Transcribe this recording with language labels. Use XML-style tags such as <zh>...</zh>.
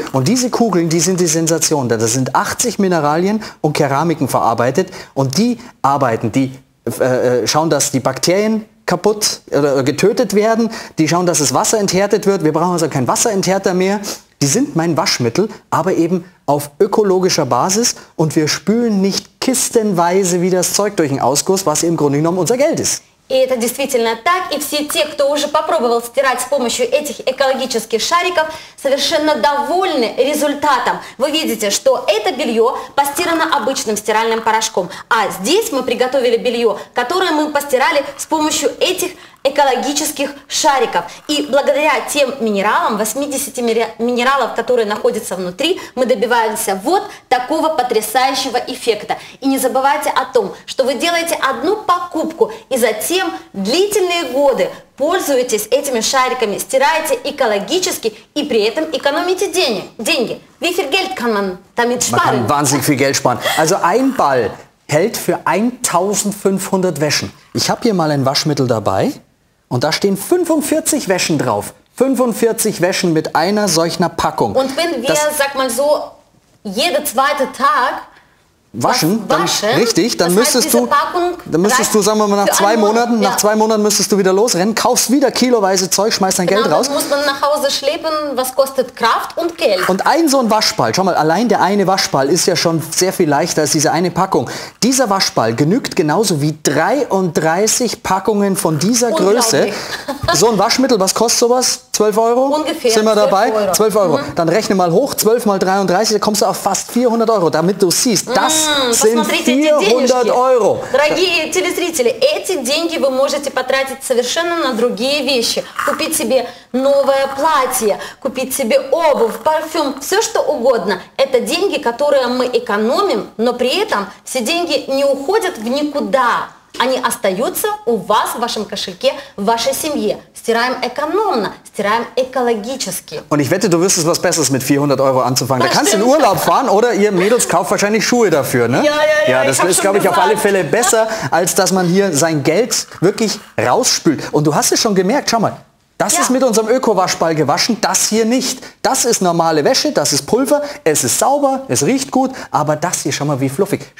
<de>Und diese Kugeln, die sind die Sensation, denn das sind 80 Mineralien und Keramiken verarbeitet und die arbeiten, die schauen, dass die Bakterien kaputt oder getötet werden. Die schauen, dass das Wasser enthärtet wird. Wir brauchen also keinen Wasserenthärter mehr. Die sind mein Waschmittel, aber eben auf ökologischer Basis. Und wir spülen nicht kistenweise wie das Zeug durch den Ausguss, was im Grunde genommen unser Geld ist.</de> <ru>И это действительно так, и все те, кто уже попробовал стирать с помощью этих экологических шариков, совершенно довольны результатом. Вы видите, что это белье постирано обычным стиральным порошком, а здесь мы приготовили белье, которое мы постирали с помощью этих экологических шариков. И благодаря тем минералам, 80 минералов, которые находятся внутри, мы добиваемся вот такого потрясающего эффекта. И не забывайте о том, что вы делаете одну покупку, и затем длительные годы пользуетесь этими шариками, стираете экологически и при этом экономите деньги.</ru> <de>Wie viel Geld kann man damit sparen? Man kann wahnsinnig viel Geld sparen. Also ein Ball hält für 1500 Wäschen. Ich habe hier mal ein Waschmittel dabei. Und da stehen 45 Wäschen drauf. 45 Wäschen mit einer solcher Packung. Und wenn wir, das, sag mal so, jeden zweiten Tag waschen, dann, waschen richtig, dann müsstest heißt, du, Packung dann müsstest du, sagen wir mal, nach zwei Monaten müsstest du wieder losrennen, kaufst wieder kiloweise Zeug, schmeißt dein genau, Geld raus. Dann muss man nach Hause schleppen, was kostet Kraft und Geld. Und ein so ein Waschball, schau mal, allein der eine Waschball ist ja schon sehr viel leichter als diese eine Packung. Dieser Waschball genügt genauso wie 33 Packungen von dieser Größe. So ein Waschmittel, was kostet sowas? 12 Euro? Ungefähr. Sind wir dabei? 12 Euro. 12 Euro. Mhm. Dann rechne mal hoch, 12 mal 33, da kommst du auf fast 400 Euro, damit du siehst, das sind 400 Euro.</de> <ru>Дорогие телезрители, эти деньги вы можете потратить совершенно на другие вещи. Купить себе новое платье, купить себе обувь, парфюм, все что угодно. Это деньги, которые мы экономим, но при этом все деньги не уходят в никуда. Они остаются у вас в вашем кошельке, в вашей семье. Стираем экономно, стираем экологически.</ru> <de>Und ich wette, du wirst es was Besseres mit 400 Euro anzufangen. Das da kannst du in Urlaub fahren, oder ihr Mädels kauft wahrscheinlich Schuhe dafür, ne? Ja, das ist, glaube ich, auf alle Fälle besser, als dass man hier sein Geld wirklich rausspült. Und du hast es schon gemerkt, schau mal, Das ist mit unserem Öko-Waschball gewaschen, das hier nicht. Das ist normale Wäsche, das ist Pulver, es ist sauber, es riecht gut, aber das hier, schau mal, wie fluffig.</de>